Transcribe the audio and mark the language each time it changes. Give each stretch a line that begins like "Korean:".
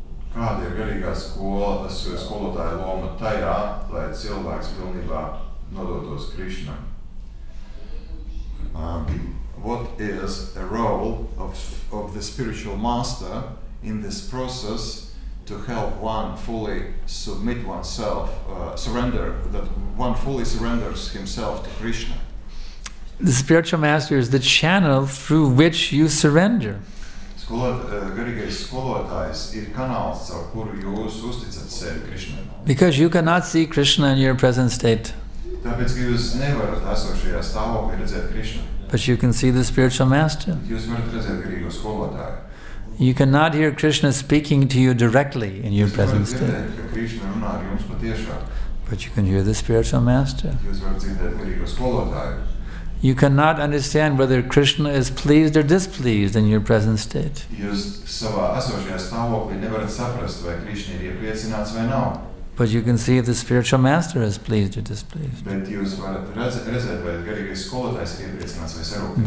Latvian: Kāda ir garīgā skolotāja loma tajā, lai cilvēks pilnībā nodotos Krishna?
English: What is a role of the spiritual master in this process to help one fully submit oneself, surrender, that one fully surrenders himself to Krishna? The spiritual master is the channel through which you surrender.
Latvian: Garīgais skolotājs ir kanāls, ar kuru jūs uzticat sevi Krishna.
English: Because you cannot see Krishna in your present state.
Latvian: Tāpēc, ka jūs nevarat esošajā stāvoklī redzēt Krishna.
English: But you can see the spiritual master.
Latvian: Jūs varat redzēt garīgo skolotāju.
English: You cannot hear Krishna speaking to you directly in your present state.
Latvian: Jūs varat dzirdēt, ka Krishna runā ar jums patiešā.
English: But you can hear the spiritual master.
Latvian: Jūs varat dzirdēt garīgo skolotāju.
English: You cannot understand whether Krishna is pleased or displeased in your present state.
Latvian: Jūs savā esošajā stāvoklī nevarat saprast, vai Krishna ir iepriecināts vai nav.
English: But you can see if the spiritual master is pleased or displeased.
Latvian: Bet jūs varat redzēt, vai garīgais skolotājs ir iepriecināts vai sarūpēts.